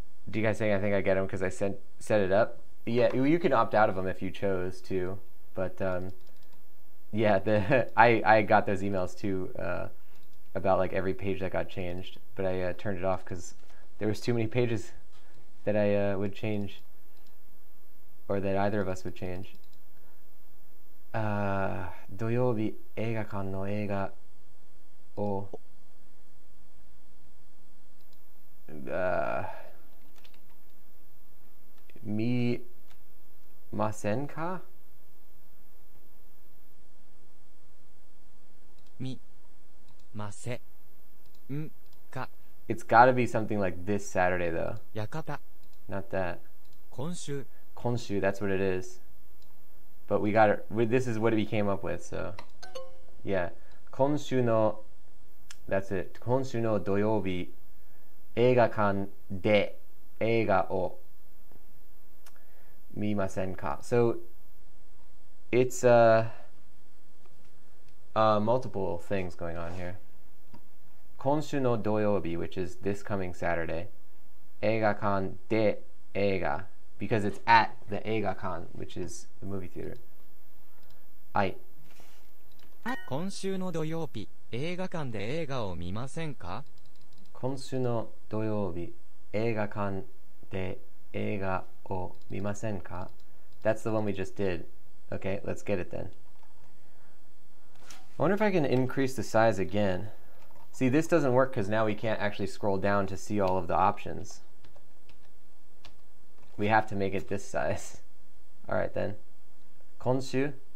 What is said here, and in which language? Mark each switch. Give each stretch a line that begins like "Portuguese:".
English: Do you guys think I think I get them because I set it up? Yeah, you can opt out of them if you chose to, but... Yeah, I got those emails too about like every page that got changed, but I turned it off because there was too many pages that I would change, or that either of us would change.
Japanese: 土曜日映画館の映画を見ませんか? みませんか。
English: It's gotta be something like this Saturday though.
Japanese: やかた。
English: Not that.
Japanese: 今週。今週、
English: that's what it is. But we got it, this is what we came up with, so. Yeah.
Japanese: 今週の、
English: that's it.
Japanese: 今週の土曜日、映画館で映画を見ませんか。
English: So, it's a... multiple things going on here.
Japanese: 今週の土曜日,
English: which is this coming Saturday,
Japanese: 映画館で映画,
English: because it's at the 映画館, which is the movie theater.
Japanese: はい。今週の土曜日、映画館で映画を見ませんか? 今週の土曜日、映画館で映画を見ませんか?
English: That's the one we just did. Okay, let's get it then. I wonder if I can increase the size again. See, this doesn't work because now we can't actually scroll down to see all of the options. We have to make it this size. All right, then.
Japanese: 今週